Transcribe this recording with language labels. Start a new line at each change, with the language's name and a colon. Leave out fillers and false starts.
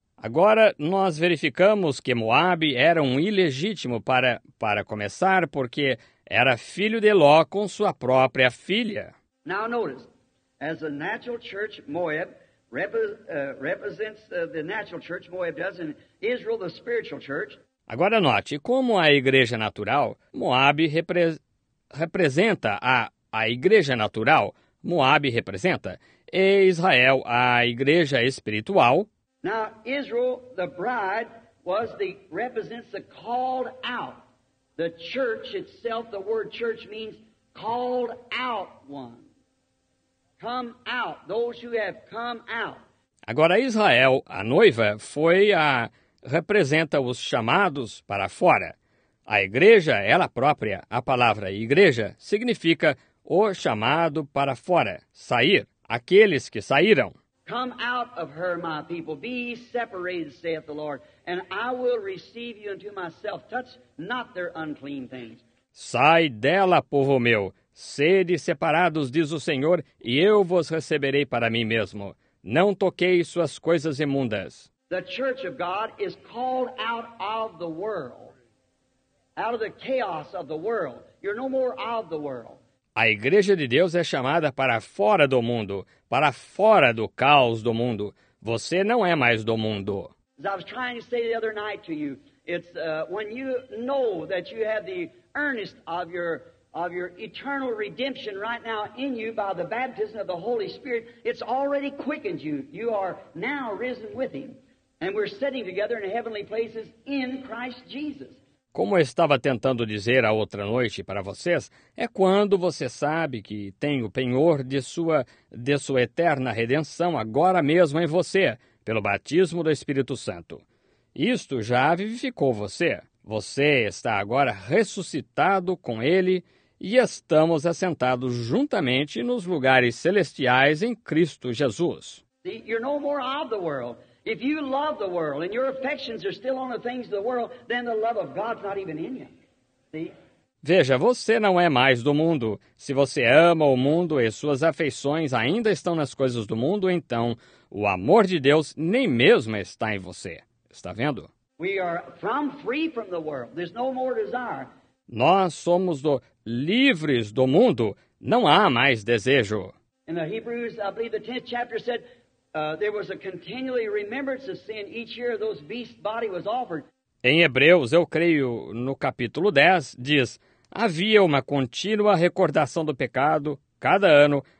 Portuguese: Agora nós verificamos que Moab era um ilegítimo para começar porque era filho de Ló com sua própria filha.
English: Now notice, as a natural church, Moab represents the natural church, Moab does, and Israel the spiritual church.
Portuguese: Agora note, como a igreja natural, Moab representa a igreja natural, Moab representa, e Israel a igreja espiritual.
English: Now Israel, the bride, represents the called out. The church itself, the word church means called out one. Come out, those who have come out.
Portuguese: Agora Israel, a noiva, representa os chamados para fora. A igreja, ela própria, a palavra igreja, significa o chamado para fora, sair, aqueles que saíram.
English: Come out of her, my people, be separated, saith the Lord, and I will receive you unto myself. Touch not their unclean things.
Portuguese: Sai dela, povo meu. Sede separados, diz o Senhor, e eu vos receberei para mim mesmo. Não toquei suas coisas imundas.
English: The church of God is called out of the world, out of the chaos of the world. You're no more of the world.
Portuguese: A igreja de Deus é chamada para fora do mundo, para fora do caos do mundo. Você não é mais do mundo.
English: As I was trying to say the other night to you, it's when you know that you have the earnest of your eternal redemption right now in you by the baptism of the Holy Spirit, it's already quickened you. You are now risen with Him. And we're sitting together in heavenly places in Christ Jesus.
Portuguese: Como eu estava tentando dizer a outra noite para vocês, é quando você sabe que tem o penhor de sua eterna redenção agora mesmo em você, pelo batismo do Espírito Santo. Isto já vivificou você. Você está agora ressuscitado com Ele e estamos assentados juntamente nos lugares celestiais em Cristo Jesus.
English: You're no more of the world. If you love the world and your affections are still on the things of the world, then the love of God's not even in you. See?
Portuguese: Veja, você não é mais do mundo. Se você ama o mundo e suas afeições ainda estão nas coisas do mundo, então o amor de Deus nem mesmo está em você. Está vendo?
English: We are free from the world. There's no more desire.
Portuguese: Nós somos livres do mundo. Não há mais desejo.
English: In the Hebrews, I believe the 10th chapter said, there was a continually remembrance of sin each year those beast's body was offered.
Portuguese: Em Hebreus, eu creio, no capítulo 10, diz, havia uma contínua recordação do pecado cada ano